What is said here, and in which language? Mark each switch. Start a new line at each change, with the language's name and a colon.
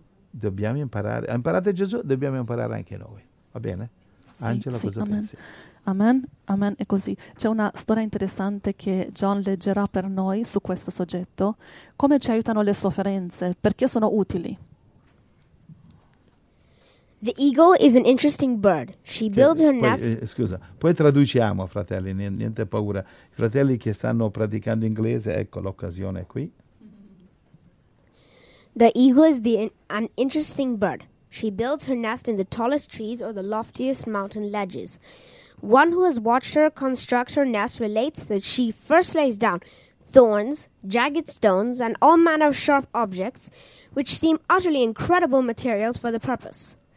Italian: Dobbiamo imparare. Ha imparato Gesù, dobbiamo imparare anche noi. Va bene? Sì, Angela, sì, cosa amen. Pensi? Amen, amen, è così. C'è una storia interessante che John leggerà per noi su questo soggetto. Come ci aiutano le sofferenze? Perché sono utili?
English: The eagle is an interesting bird. She builds her nest.
Italian: Scusa, poi traduciamo, fratelli, niente paura. I fratelli che stanno praticando inglese, ecco l'occasione è qui.
English: The eagle is an interesting bird. She builds her nest in the tallest trees or the loftiest mountain ledges. One who has watched her construct her nest relates that she first lays down thorns, jagged stones, and all manner of sharp objects, which seem utterly incredible materials for the purpose.